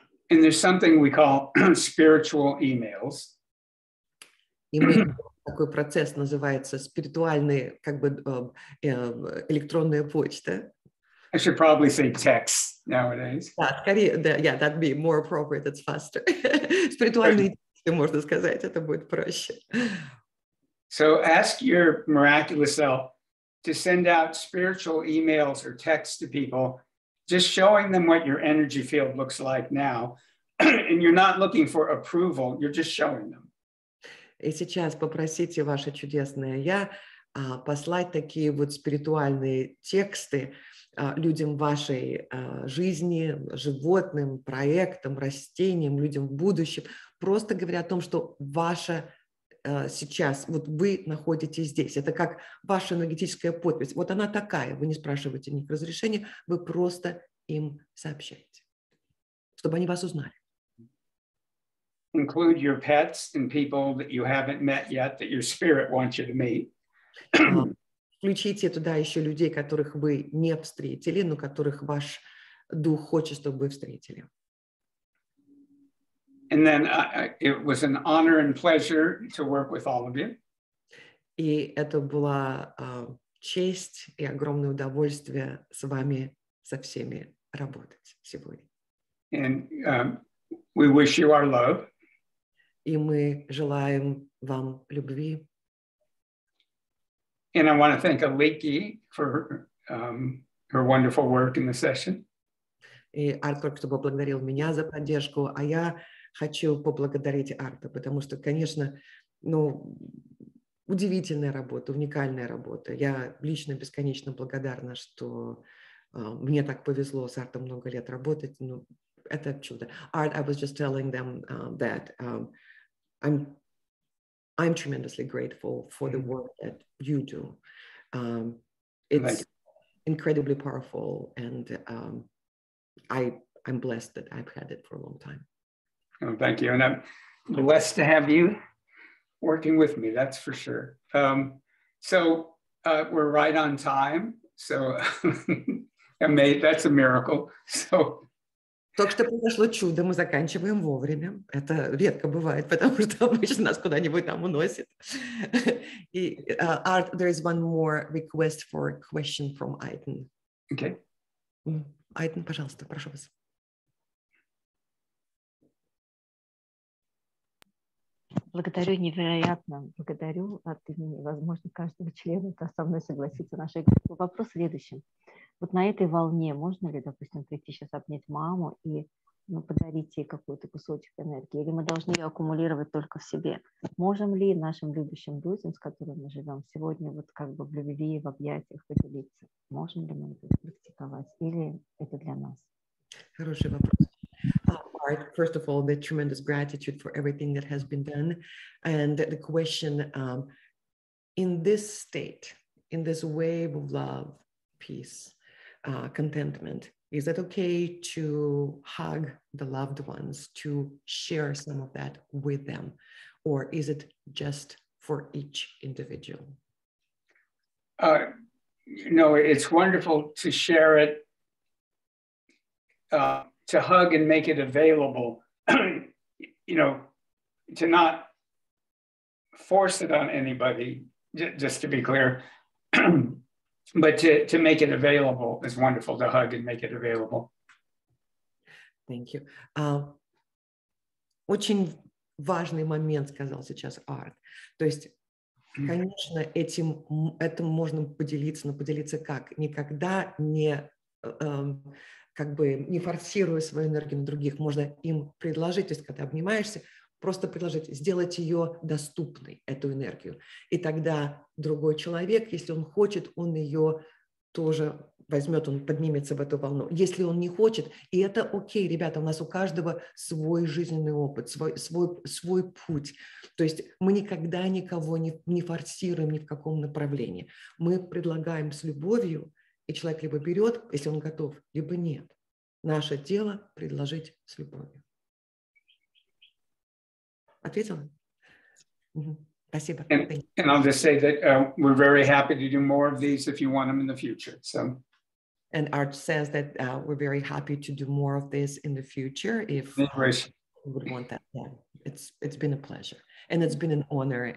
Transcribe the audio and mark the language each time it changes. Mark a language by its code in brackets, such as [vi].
[en] And there's something we call spiritual emails. [ru] И мы, такой процесс называется спиритуальные, как бы, электронная почта. [en] I should probably say text nowadays. [ru] Да, скорее, [en] yeah, that'd be more appropriate, it's faster. [ru] Спиритуальные тексты, можно сказать, это будет проще. [en] So ask your miraculous self to send out spiritual emails or texts to people, just showing them what your energy field looks like now. And you're not looking for approval, you're just showing them. [ru] И сейчас попросите ваше чудесное «Я» послать такие вот спиритуальные тексты людям вашей жизни, животным, проектам, растениям, людям в будущем, просто говоря о том, что ваше сейчас, вот вы находитесь здесь. Это как ваша энергетическая подпись. Вот она такая, вы не спрашиваете у них разрешения, вы просто им сообщаете, чтобы они вас узнали. [en] Include your pets and people that you haven't met yet that your spirit wants you to meet. [ru] Включите туда еще людей, которых вы не встретили, но которых ваш дух хочет, чтобы вы встретили. [en] And then it was an honor and pleasure to work with all of you. [ru] И это была честь и огромное удовольствие с вами со всеми работать сегодня. [en] And we wish you our love. [ru] И мы желаем вам любви. [en] And I want to thank Aliki for her wonderful work in the session. [ru] И Артур, кто поблагодарил меня за поддержку, а я хочу поблагодарить Арта, потому что, конечно, ну, удивительная работа, уникальная работа. Я лично бесконечно благодарна, что мне так повезло с Артом много лет работать. Ну, это чудо. [en] Art, I was just telling them that... I'm tremendously grateful for the work that you do. It's incredibly powerful, and I'm blessed that I've had it for a long time. Oh, thank you, and I'm blessed to have you working with me, that's for sure. So we're right on time, so that's a miracle. So. [ru] Только что произошло чудо, мы заканчиваем вовремя. Это редко бывает, потому что обычно нас куда-нибудь там уносит. [en] И, Art, there is one more request for a question from Aiden. Okay. [ru] Aiden, пожалуйста, прошу вас. Благодарю невероятно. Благодарю от имени, возможно, каждого члена, кто со мной согласится. Наш вопрос следующий. Вот на этой волне можно ли, допустим, прийти сейчас обнять маму и подарить ей какой-то кусочек энергии? Или мы должны ее аккумулировать только в себе? Можем ли нашим любящим людям, с которыми мы живем сегодня, вот как бы в любви, в объятиях поделиться? Можем ли мы это практиковать? Или это для нас? Хороший вопрос. [en] First of all, the tremendous gratitude for everything that has been done. And the question, in this state, in this wave of love, peace, contentment. Is it okay to hug the loved ones, to share some of that with them? Or is it just for each individual? No, it's wonderful to share it, to hug and make it available, you know, to not force it on anybody, just to be clear. But to make it available is wonderful, to hug and make it available. Thank you. [ru] Очень важный момент сказал сейчас Арт. То есть, конечно, этим можно поделиться, но поделиться как? Никогда не, как бы, не форсируя свою энергию на других, можно им предложить, то есть, когда обнимаешься, просто предложить, сделать ее доступной, эту энергию. И тогда другой человек, если он хочет, он ее тоже возьмет, он поднимется в эту волну. Если он не хочет, и это окей, ребята, у нас у каждого свой жизненный опыт, свой путь. То есть мы никогда никого не форсируем ни в каком направлении. Мы предлагаем с любовью, и человек либо берет, если он готов, либо нет. Наше дело предложить с любовью. ответила? Спасибо. [en] And I'll just say that we're very happy to do more of these if you want them in the future. So. And Art says that we're very happy to do more of this in the future if you would want that. Yeah. It's been a pleasure and it's been an honor.